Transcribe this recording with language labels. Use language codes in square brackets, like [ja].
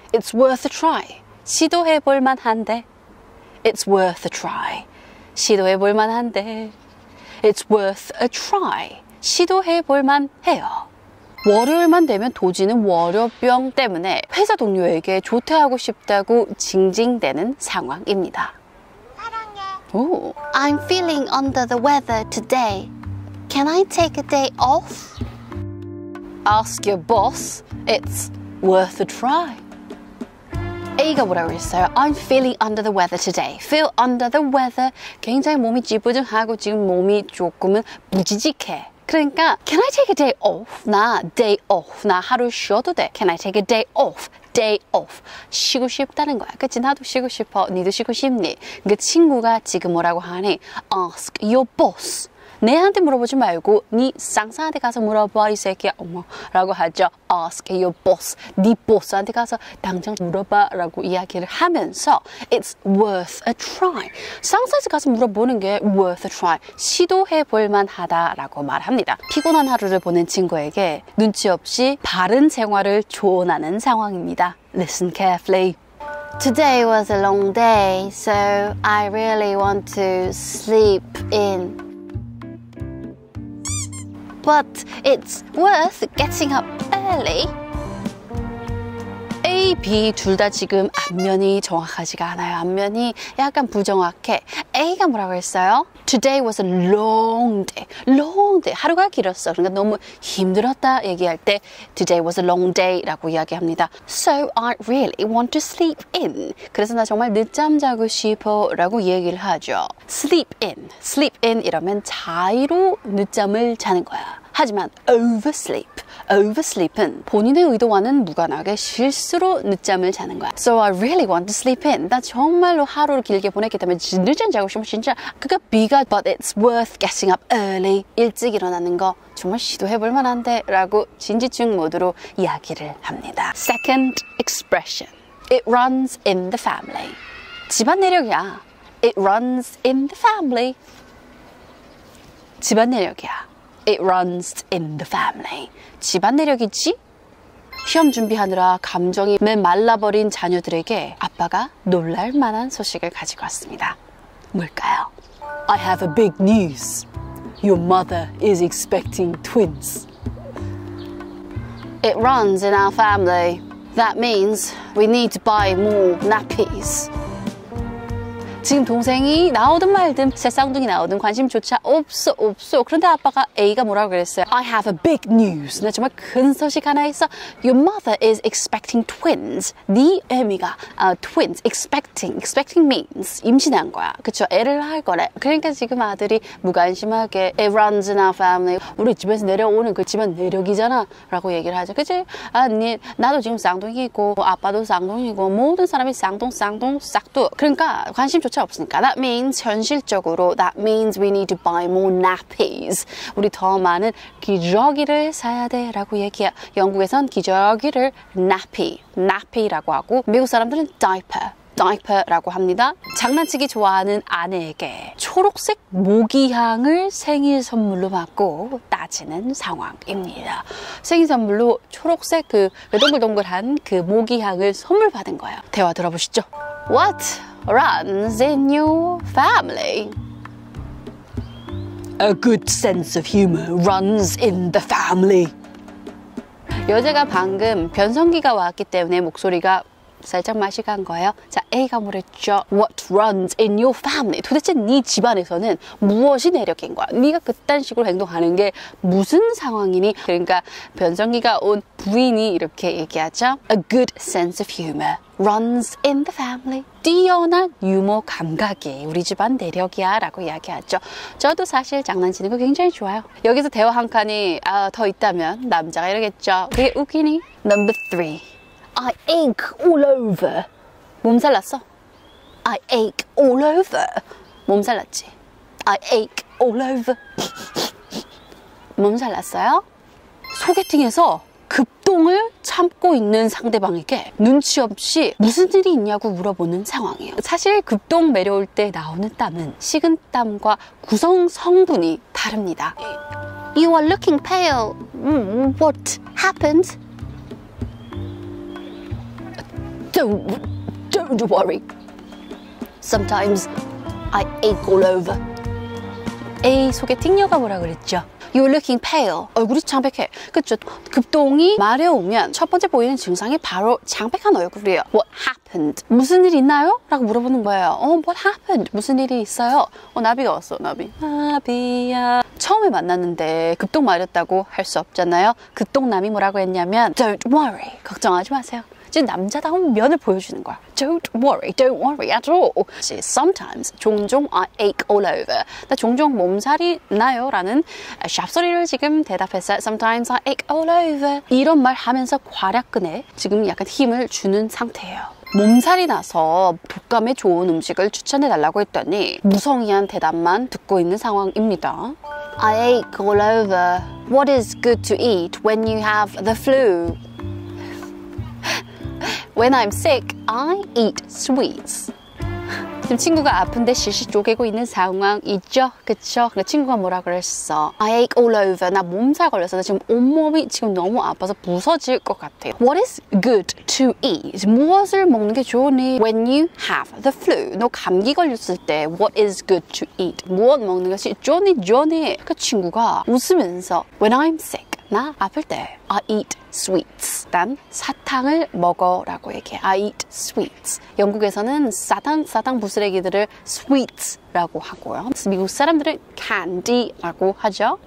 [en] It's worth a try. [ko] 시도해볼 만한데. [en] It's worth a try. [ko] 시도해볼 만한데. [en] It's worth a try. [ko] 시도해볼 만해요. 월요일만 되면 도지는 월요병 때문에 회사 동료에게 조퇴하고 싶다고 징징대는 상황입니다. 사랑해. [en] I'm feeling under the weather today. Can I take a day off? Ask your boss. It's worth a try. [ko] A가 뭐라고 했어요? [en] I'm feeling under the weather today. Feel under the weather. [ko] 굉장히 몸이 지부둥하고 지금 몸이 조금은 무지직해. 그러니까 [en] Can I take a day off? [ko] 나 day off. 나 하루 쉬어도 돼. [en] Can I take a day off? [ko] Day off. 쉬고 싶다는 거야. 그치? 나도 쉬고 싶어. 니도 쉬고 싶니? 그 친구가 지금 뭐라고 하니? [en] Ask your boss. [ko] 내한테 물어보지 말고 네 상사한테 가서 물어봐 이 새끼야 어머 라고 하죠. [en] Ask your boss. [ko] 네 보스한테 가서 당장 물어봐 라고 이야기를 하면서 [en] It's worth a try. [ko] 상사한테 가서 물어보는 게 [en] worth a try. [ko] 시도해볼 만하다 라고 말합니다. 피곤한 하루를 보낸 친구에게 눈치 없이 바른 생활을 조언하는 상황입니다. [en] Listen carefully. Today was a long day, so I really want to sleep in. But it's worth getting up early. [ko] A, B 둘 다 지금 앞면이 정확하지가 않아요. 앞면이 약간 부정확해. A가 뭐라고 했어요? [en] Today was a long day. Long day. [ko] 하루가 길었어. 그러니까 너무 힘들었다 얘기할 때 [en] Today was a long day [ko] 라고 이야기합니다. [en] So I really want to sleep in. [ko] 그래서 나 정말 늦잠 자고 싶어 라고 얘기를 하죠. [en] Sleep in. [ko] Sleep in 이러면 자의로 늦잠을 자는 거야. 하지만 oversleep, oversleep은 본인의 의도와는 무관하게 실수로 늦잠을 자는 거야. [en] So I really want to sleep in. [ko] 나 정말로 하루를 길게 보냈기 때문에 늦잠 자고 싶어 진짜. 그게 비가 [en] But it's worth getting up early. [ko] 일찍 일어나는 거 정말 시도해볼 만한데 라고 진지충 모드로 이야기를 합니다. [en] Second expression. It runs in the family. [ko] 집안 내력이야. [en] It runs in the family. [ko] 집안 내력이야. [en] It runs in the family. [ko] 집안 내력이지? 시험 준비하느라 감정이 메말라버린 자녀들에게 아빠가 놀랄 만한 소식을 가지고 왔습니다. 뭘까요? [en] I have a big news. Your mother is expecting twins. It runs in our family. That means we need to buy more nappies. [ko] 지금 동생이 나오든 말든 새쌍둥이 나오든 관심조차 없어 없어. 그런데 아빠가 A가 뭐라고 그랬어요? [en] I have a big news. [ko] 나 정말 큰 소식 하나 있어. [en] Your mother is expecting twins. [ko] 네 애미가 twins. Expecting. [en] Expecting means [ko] 임신한 거야. 그쵸? 애를 할 거래. 그러니까 지금 아들이 무관심하게 [en] It runs in our family. [ko] 우리 집에서 내려오는 그 집안 내력이잖아. 라고 얘기를 하죠. 그치? 아, 네, 나도 지금 쌍둥이고 아빠도 쌍둥이고 모든 사람이 쌍둥 싹둑. 그러니까 관심 조차 없으니까. [en] That means [ko] 현실적으로 [en] That means we need to buy more nappies. [ko] 우리 더 많은 기저귀를 사야 돼 라고 얘기해. 영국에선 기저귀를 nappy라고 하고 미국 사람들은 diaper라고 합니다. 장난치기 좋아하는 아내에게 초록색 모기향을 생일 선물로 받고 따지는 상황입니다. 생일 선물로 초록색 그 동글동글한 그 모기향을 선물 받은 거예요. 대화 들어보시죠. [en] What? Runs in your family. A good sense of humor runs in the family. [ko] 여자가 방금 변성기가 왔기 때문에 목소리가 살짝 맛이 간 거예요. 자, A가 물었죠. [en] What runs in your family? [ko] 도대체 네 집안에서는 무엇이 내력인 거야? 네가 그딴 식으로 행동하는 게 무슨 상황이니? 그러니까 변성기가 온 부인이 이렇게 얘기하죠. [en] A good sense of humor runs in the family. [ko] 뛰어난 유머 감각이 우리 집안 내력이야 라고 이야기하죠. 저도 사실 장난치는 거 굉장히 좋아요. 여기서 대화 한 칸이 더 있다면 남자가 이러겠죠. 그게 웃기니? [en] Number three. I ache all over. [ko] 몸살 났어? [en] I ache all over. [ko] 몸살 났지? [en] I ache all over. [ko] 몸살 났어요? 소개팅에서 급동을 참고 있는 상대방에게 눈치 없이 무슨 일이 있냐고 물어보는 상황이에요. 사실 급동 매려울 때 나오는 땀은 식은땀과 구성 성분이 다릅니다. [en] You are looking pale. What happened? Don't worry. Sometimes I ache all over. [ko] A 소개팅녀가 뭐라 그랬죠? [en] You're looking pale. [ko] 얼굴이 창백해. 그쵸? 급동이 마려우면 첫 번째 보이는 증상이 바로 창백한 얼굴이에요. [en] What happened? [ko] 무슨 일 있나요? 라고 물어보는 거예요. [en] What happened? [ko] 무슨 일이 있어요? 나비가 왔어, 나비. 나비야. 처음에 만났는데 급동 마렸다고 할 수 없잖아요. 급동남이 뭐라고 했냐면 [en] Don't worry. [ko] 걱정하지 마세요. 지금 남자다운 면을 보여주는 거야. [en] Don't worry at all. See, sometimes, 종종 I ache all over. [ko] 나 종종 몸살이 나요 라는 샵소리를 지금 대답했어요. [en] Sometimes I ache all over. [ko] 이런 말 하면서 과략근에 지금 약간 힘을 주는 상태예요. 몸살이 나서 독감에 좋은 음식을 추천해달라고 했더니 무성의한 대답만 듣고 있는 상황입니다. [en] I ache all over. What is good to eat when you have the flu? When I'm sick, I eat sweets. [ko] 지금 친구가 아픈데 실실 쪼개고 있는 상황이죠? 그쵸? 그러니까 친구가 뭐라 그랬어? [en] I ache all over. [ko] 나 몸살 걸려서 나 지금 온몸이 지금 너무 아파서 부서질 것 같아. [en] What is good to eat? [ko] 무엇을 먹는 게 좋으니? [en] When you have the flu. [ko] 너 감기 걸렸을 때 [en] What is good to eat? [ko] 무엇 먹는 것이 좋으니? 좋으니? 그 친구가 웃으면서 [en] When I'm sick. [ko] 나 아플 때 [en] I eat sweets. [ko] 난 사탕을 먹어라고 얘기해. [en] I eat sweets. [ko] 영국에서는 사탕 부스레기들을 sweets라고 하고요. 미국 사람들은 candy라고 하죠.